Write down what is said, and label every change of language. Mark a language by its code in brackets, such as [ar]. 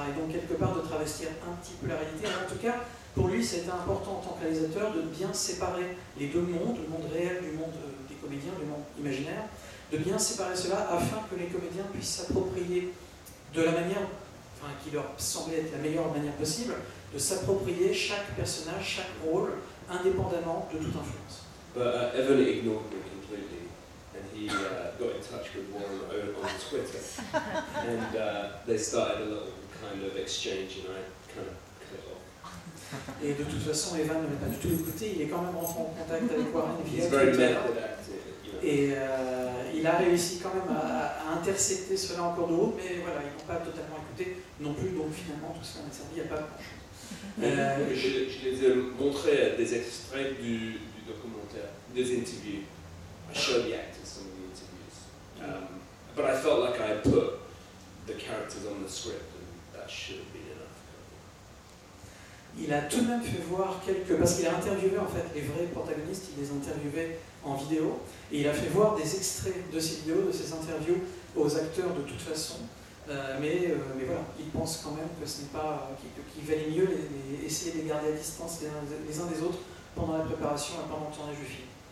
[fr] Et donc, quelque part, de travestir un petit peu la réalité. En tout cas, pour lui, c'était important en tant que réalisateur de bien séparer les deux mondes, le monde réel du monde des comédiens, du monde imaginaire, de bien séparer cela afin que les comédiens puissent s'approprier de la manière, enfin, qui leur semblait être la meilleure manière possible, de s'approprier chaque personnage, chaque rôle, indépendamment de toute influence. [en] Evan ignored me completely, and he got in touch with Warren on Twitter, and they started a little kind of exchange, and I kind of cut it off. [fr] Et de toute façon, Evan ne m'a pas du tout écouté. Il est quand même rentré en contact avec Warren. [en] He's very method acting. You know. [fr] Et il a réussi quand même à intercepter cela encore de route, mais voilà, ils n'ont pas totalement écouté non plus. Donc finalement, tout cela n'a servi à pas grand chose. Je les ai montrés des extraits du documentaire, des interviews. [en] I showed the actors some of the interviews. But I felt like I put the characters on the script, and that should have been enough. [fr] Il a tout de même fait voir quelques. Parce qu'il a interviewé en fait les vrais protagonistes, il les interviewait en vidéo, et il a fait voir des extraits de ces vidéos, de ces interviews aux acteurs de toute façon. Mais voilà, ils pensent quand même que ce n'est pas qu'il valait mieux essayer de les garder à distance les uns des autres pendant la préparation et pendant le tournage du film.